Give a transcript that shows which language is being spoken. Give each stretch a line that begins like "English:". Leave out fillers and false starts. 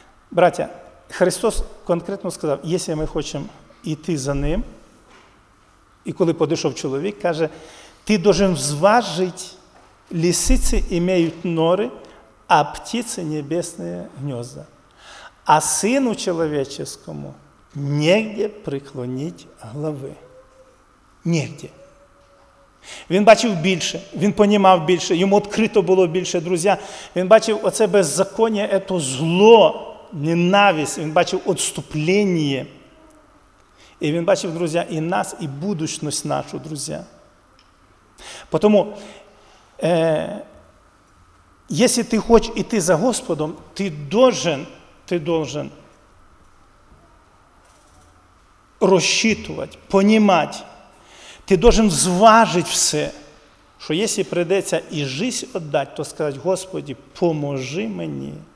Ukrainian: Браття, Христос конкретно сказав, якщо ми хочемо йти за ним, і коли подійшов чоловік, каже, ти должен зважити, лисиці мають нори, а птиці небесні гнезда.
Russian: А сину человеческому негде преклонить голови. Негде.
Ukrainian: Він бачив більше, він понімав більше, йому відкрито було більше, друзі. Він бачив оце беззаконня, це зло, ненависть, він бачив відступлення. І він бачив, друзі, і нас, і будущність нашу, друзі. Тому, якщо ти хочеш йти за Господом, ти должен розчитувати, понімати, ти должен зважити все, що якщо прийдеться і життя віддати, то сказати, Господи, поможи мені.